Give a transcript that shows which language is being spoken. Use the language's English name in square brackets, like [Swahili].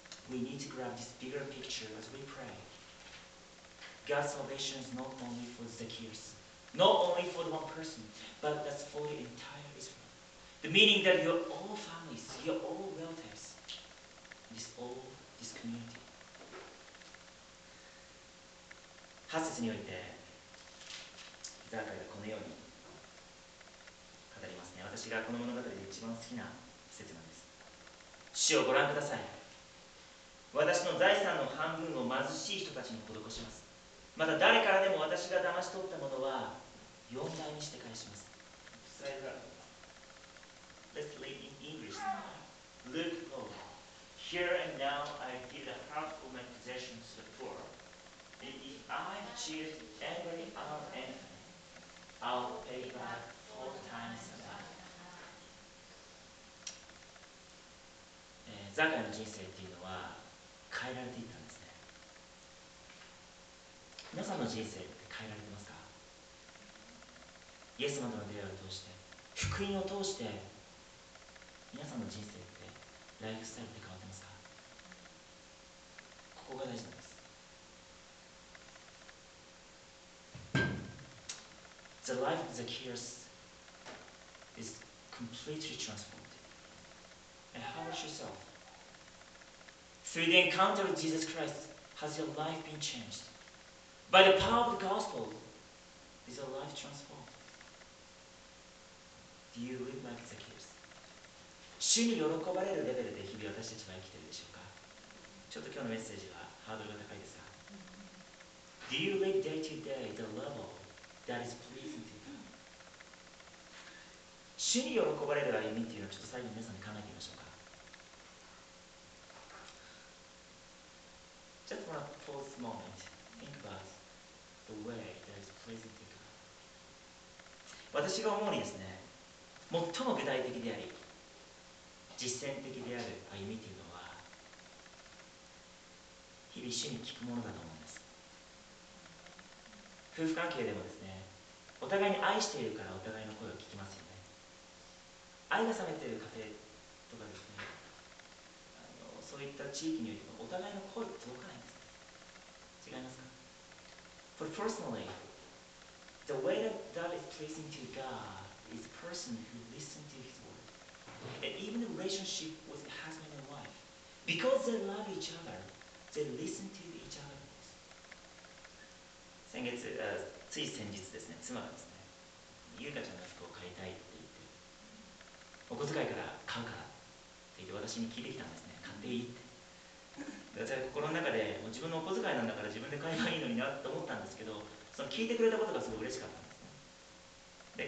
[English] We need to grab this bigger picture as we pray. God's salvation is not only for Zacchaeus, not only for the one person, but that's for the entire Israel. The meaning that your all families, your all relatives, this all this community. [Japanese] 8節においてザカイがこのように語りますね。私がこの物語で一番好きな節なんです。主をご覧ください。私の財産の半分を貧しい人たちに施します。また誰からでも私が騙し取ったものは4倍にして返します。 [English] Say that. Let's read in English. Luke 4. Here and now I give the half of my possessions to the poor. And if I cheat every other enemy, I'll pay back 4 times the amount. [Japanese] ザカイの人生というのは変えられていたんですね。皆さんの人生って変えられてますか？イエス様との出会いを通して、福音を通して、皆さんの人生って、ライフスタイルって変わってますか？ここが大事なんです。 [English] The life of Zacchaeus is completely transformed. And how about yourself? Through the encounter with Jesus Christ, has your life been changed? By the power of the gospel, is your life transformed? Do you live like Zacchaeus? [Japanese] 主に喜ばれるレベルで日々私たちは生きているでしょうか。ちょっと今日のメッセージはハードルが高いですが、 [English] Do you live day to day the level that is pleasing to God? [Japanese] 主に喜ばれる歩みっていうのをちょっと最後に皆さんに考えてみましょうか。 [English] Just wanna pause a moment. Think about the way that is pleasing to God. [Japanese] 私が思うにですね、最も具体的であり実践的である歩みというのは日々主に聞くものだと思うんです。夫婦関係でもですね、お互いに愛しているからお互いの声を聞きますよね。愛が冷めている家庭とかですね、そういった地域によりもお互いの声届かないんです。違いますか？ [English] But personally, the way that God is pleasing to Godis a person who listens to his word. And even the relationship with a husband and wife, because they love each other, they listen to each other. [Japanese] 先月、つい先日ですね、妻がですね、ゆうかちゃんの服を買いたいって言って、お小遣いから買うからって言って私に聞いてきたんですね。買っていいって。私は心の中でもう自分のお小遣いなんだから自分で買えばいいのになと思ったんですけど、その聞いてくれたことがすごい嬉しかったんです。